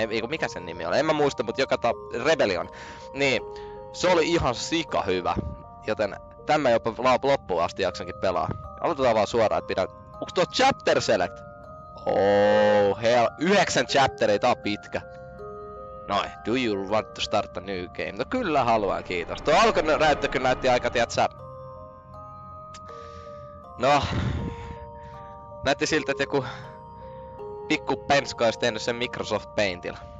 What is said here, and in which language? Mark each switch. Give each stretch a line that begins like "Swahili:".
Finnish: Mikä sen nimi on? En mä muista, mutta joka Rebellion. Niin, se oli ihan sika hyvä, joten tämä jopa loppuun asti jaksankin pelaa. Aloitetaan vaan suoraan, että pidän. Onks tuo chapter select?
English: Oh, hell,
Finnish: 9 chapteria, tää on pitkä.
English: Noi, do you want to start a new game?
Finnish: No kyllä haluan, kiitos. Tuo alkunäyttö kyllä näytti aika, tiiätsä. No, näytti siltä, että joku pikku penska olisi tehnyt sen Microsoft Paintilla.